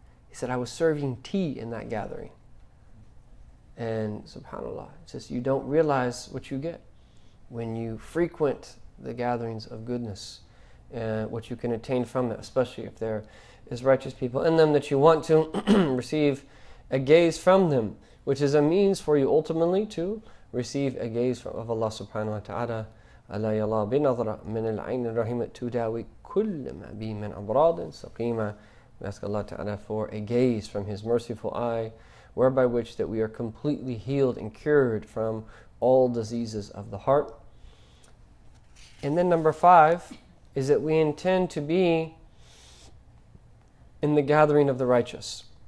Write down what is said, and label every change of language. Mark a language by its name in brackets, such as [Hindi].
[English] He said, I was serving tea in that gathering. And subhanAllah, it says you don't realize what you get when you frequent the gatherings of goodness, and what you can attain from it, especially if there is righteous people in them that you want to receive a gaze from them, which is a means for you ultimately to receive a gaze from, of Allah subhanahu wa ta'ala. [Arabic] ألا يلا بنظرة من العين الرحيمة تداوي كل ما بي من أمراض سقيمة. [English] We ask Allah Ta'ala for a gaze from His merciful eye, whereby which that we are completely healed and cured from all diseases of the heart. And then number five is that we intend to be in the gathering of the righteous.